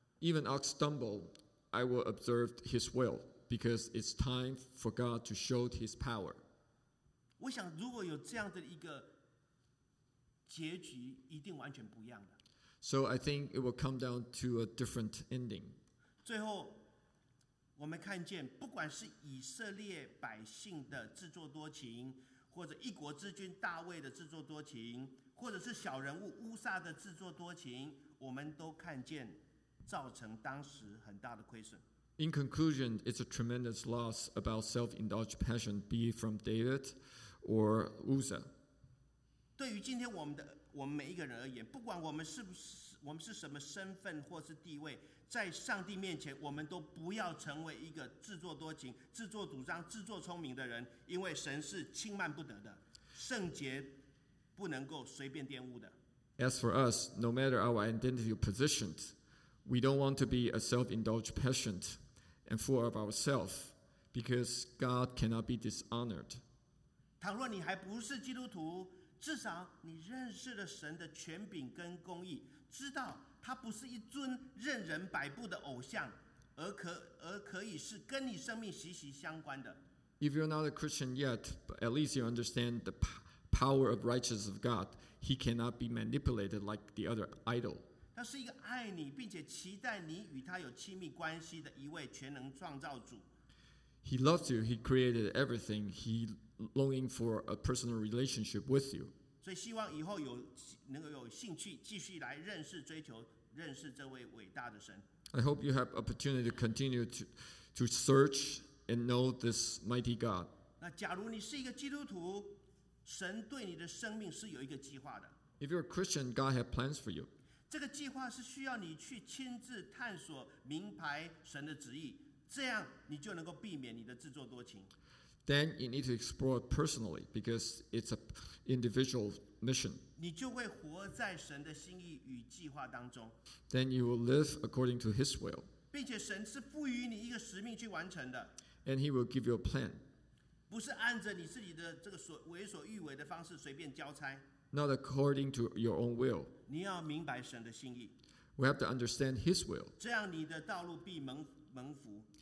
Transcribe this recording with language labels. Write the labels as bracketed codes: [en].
[en] Even ox stumble, I will observe His will because it's time for God to show His power. [zh] 我想，如果有这样的一个结局，一定完全不一样的。 [en] So I think it will come down to a different ending. [zh] 最后。我们看见，不管是以色列百姓的自作多情，或者一国之君大卫的自作多情，或者是小人物乌撒的自作多情，我们都看见造成当时很大的亏损。 [en] In conclusion, it's a tremendous loss about self-indulged passion, be it from David or Uzza. [zh] 对于今天我们每一个人而言，不管我们是什么身份或是地位。在上帝面前，我们都不要成为一个自作多情、自作主张、自作聪明的人，因为神是轻慢不得的，圣洁不能够随便玷污的。 [en] As for us, no matter our identity or position, we don't want to be a self-indulged passion and full of ourselves, because God cannot be dishonored. [zh] 倘若你还不是基督徒，至少你认识了神的权柄跟公义，知道。他不是一尊任人摆布的偶像，而可以是跟你生命息息相关的。 [en] If you're not a Christian yet, but at least you understand the power of righteousness of God. He cannot be manipulated like the other idol. [zh] 他是一个爱你并且期待你与他有亲密关系的一位全能创造主。 [en] He loves you. He created everything. He longing for a personal relationship with you. [zh] 所以希望以后有能够有兴趣继续来认识、追求、认识这位伟大的神。 [en] I hope you have opportunity to continue to search and know this mighty God. [zh] 那假如你是一个基督徒，神对你的生命是有一个计划的。 [en] If you're a Christian, God has plans for you. [zh] 这个计划是需要你去亲自探索、明白神的旨意，这样你就能够避免你的自作多情。 [en] Then you need to explore it personally because it's an individual mission. [zh] 你就会活在神的心意与计划当中。 [en] Then you will live according to His will. [zh] 并且神是赋予你一个使命去完成的。 [en] And He will give you a plan. [zh] 不是按着你自己的这个所为所欲为的方式随便交差。 [en] Not according to your own will. [zh] 你要明白神的心意。 [en] We have to understand His will. [zh] 这样你的道路必蒙蒙福。